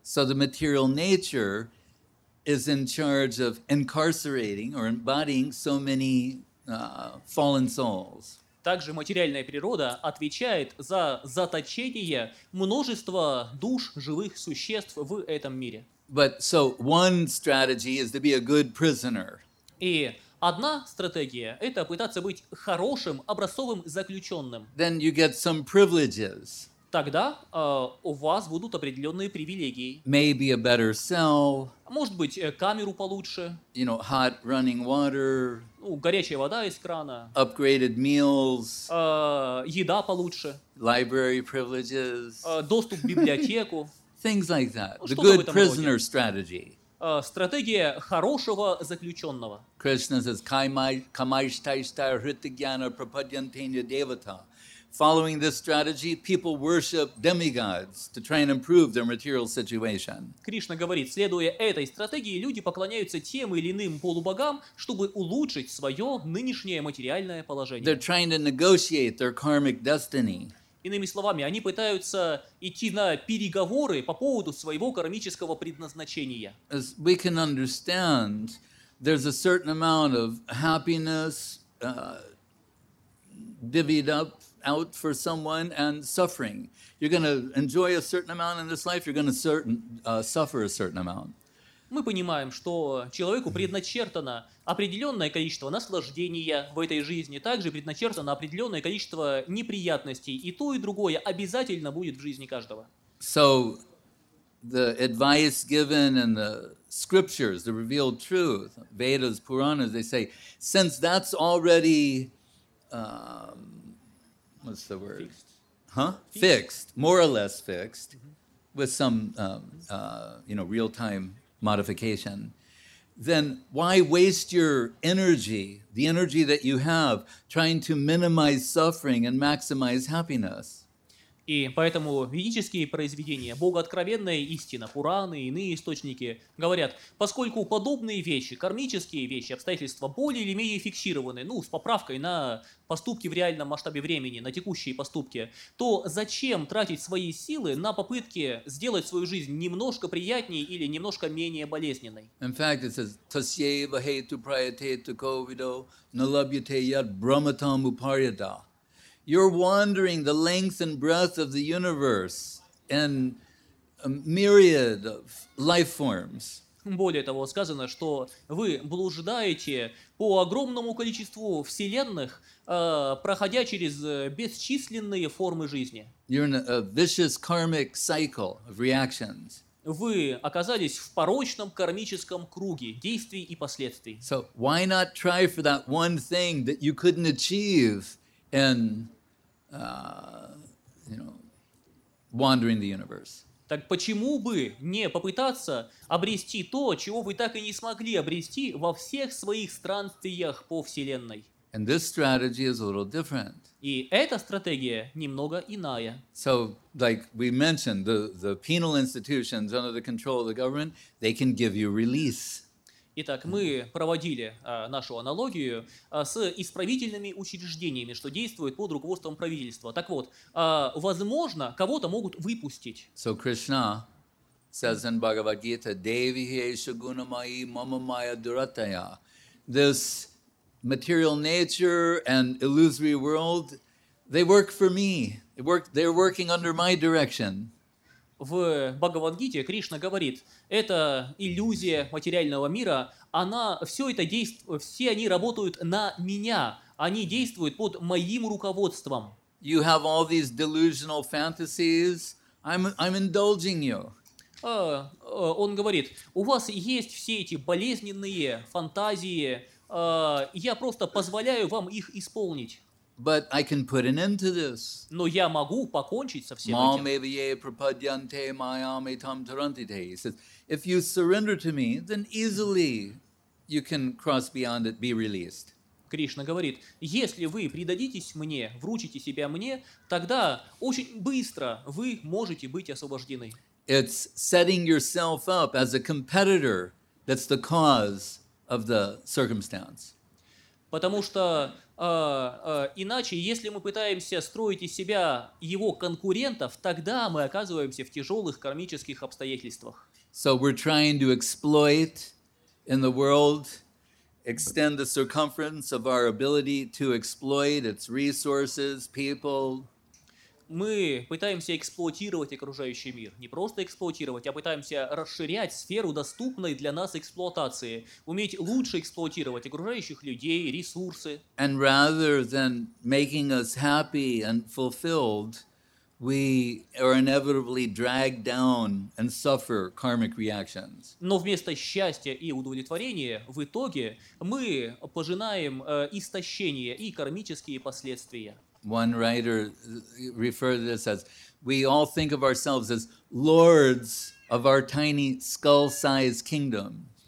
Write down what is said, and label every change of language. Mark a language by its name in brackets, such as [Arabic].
[English] So the material nature is in charge of incarcerating or embodying so many fallen souls. [Russian] Также материальная природа отвечает за заточение множества душ живых существ в этом мире. [English] But so one strategy is to be a good prisoner. [Russian] И одна стратегия – это пытаться быть хорошим образцовым заключенным. [English] Then you get some privileges. [Russian] Тогда у вас будут определенные привилегии. [English] Maybe a better cell. [Russian] Может быть, камеру получше. [English] You know, hot running water. [Russian] Ну, горячая вода из крана. [English] Upgraded meals. [Russian] Еда получше. [English] Library privileges. [Russian] Доступ к библиотеку. [English] Things like that. The good prisoner strategy. [Russian] Стратегия хорошего заключенного. [English] Krishna says, [Sanskrit] Kamaishtaishtar Hrithigyana Prapadyantena Devata. [English] Following this strategy, people worship demigods to try and improve their material situation. [Russian] Кришна говорит, следуя этой стратегии, люди поклоняются тем или иным полубогам, чтобы улучшить свое нынешнее материальное положение. [English] They're trying to negotiate their karmic destiny. [Russian] Иными словами, они пытаются идти на переговоры по поводу своего кармического предназначения. [English] As we can understand, there's a certain amount of happiness divvied up out for someone and suffering. You're going to enjoy a certain amount in this life, you're going to suffer a certain amount. [Russian] Мы понимаем, что человеку предначертано определенное количество наслаждения в этой жизни, также предначертано определенное количество неприятностей, и то, и другое обязательно будет в жизни каждого. [English] So, the advice given in the scriptures, the revealed truth, Vedas, Puranas, they say, since that's already, what's the word? Fixed. Huh? Fixed, more or less fixed, mm-hmm. with some, you know, real-time modification, then why waste your energy, the energy that you have, trying to minimize suffering and maximize happiness? [Russian] И поэтому ведические произведения, богооткровенная истина, Пураны, иные источники говорят, поскольку подобные вещи, кармические вещи, обстоятельства более или менее фиксированы, ну, с поправкой на поступки в реальном масштабе времени, на текущие поступки, то зачем тратить свои силы на попытки сделать свою жизнь немножко приятнее или немножко менее болезненной? [English] In fact, it says, [Sanskrit] «Тасьева хейту прайотейту ковидо, налабьете яд брамотам упарьеда». [English] You're wandering the length and breadth of the universe in a myriad of life forms. [Russian] Более того, сказано, что вы блуждаете по огромному количеству вселенных, проходя через бесчисленные формы жизни. [English] You're in a vicious karmic cycle of reactions. [Russian] вы оказались в порочном кармическом круге действий и последствий. [English] So why not try for that one thing that you couldn't achieve in, you know, wandering the universe? [Russian] Так почему бы не попытаться обрести то, чего вы так и не смогли обрести во всех своих странствиях по Вселенной? [English] And this strategy is a little different. [Russian] И эта стратегия немного иная. [English] So, like we mentioned, the penal institutions under the control of the government, they can give you release. [Russian] Итак, мы проводили нашу аналогию с исправительными учреждениями, что действует под руководством правительства. Так вот, возможно, кого-то могут выпустить. [English] So Krishna says in Bhagavad Gita, [Sanskrit] Devi esha guna mayi mama maya durataya. [English] This material nature and illusory world, they work for me. They're working under my direction. [Russian] В Бхагавад-гите Кришна говорит, это иллюзия материального мира, она, все это действует, все они работают на меня, они действуют под моим руководством. [English] You have all these delusional fantasies, I'm indulging you. [Russian] Он говорит, у вас есть все эти болезненные фантазии, я просто позволяю вам их исполнить. [English] But I can put an end to this. [Russian] Но я могу покончить со всем этим. [Sanskrit] Мам эвие пропадьянте майам этам тарантите. [English] He says, if you surrender to me, then easily you can cross beyond it, be released. [Russian] Кришна говорит, если вы предадитесь мне, вручите себя мне, тогда очень быстро вы можете быть освобождены. [English] It's setting yourself up as a competitor that's the cause of the circumstance. [Russian] Потому что иначе, если мы пытаемся строить из себя его конкурентов, тогда мы оказываемся в тяжелых кармических обстоятельствах. [English] So we're trying to exploit in the world, extend the circumference of our ability to exploit its resources, people. [Russian] Мы пытаемся эксплуатировать окружающий мир. Не просто эксплуатировать, а пытаемся расширять сферу доступной для нас эксплуатации. Уметь лучше эксплуатировать окружающих людей, ресурсы. [English] And rather than making us happy and fulfilled, we are inevitably dragged down and suffer karmic reactions. [Russian] Но вместо счастья и удовлетворения, в итоге мы пожинаем истощение и кармические последствия. [English] One writer referred to this as, we all think of ourselves as lords of our tiny skull-sized kingdom.